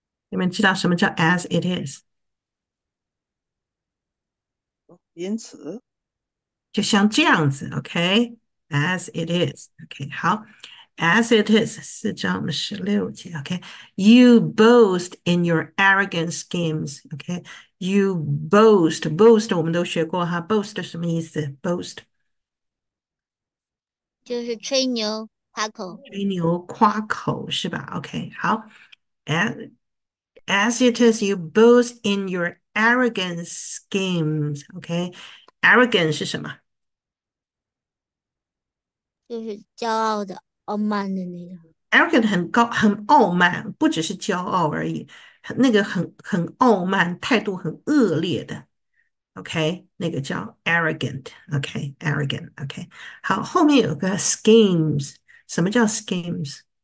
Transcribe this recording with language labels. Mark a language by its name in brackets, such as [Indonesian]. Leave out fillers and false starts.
[Chinese] 有没有知道什么叫 [English] as it is？ [Chinese] 因此。就像这样子，OK？ [English] As it is， [Chinese] OK，好。 [English] As it is, 4章16节, okay. You boast in your arrogant schemes, okay. You boast, [Chinese] boast 我们都学过哈, boast 什么意思? [English] Boast. [Chinese] 就是吹牛、夸口。吹牛夸口是吧?Okay, 好. [English] As it is, you boast in your arrogant schemes, okay. [Chinese] Arrogant 是什么? 就是骄傲的、傲慢的那种。 arrogant 很高，很傲慢，不只是骄傲而已，那个很傲慢，态度很恶劣的，OK，那个叫 arrogant，OK，arrogant，OK，好，后面有个 schemes，什么叫 schemes？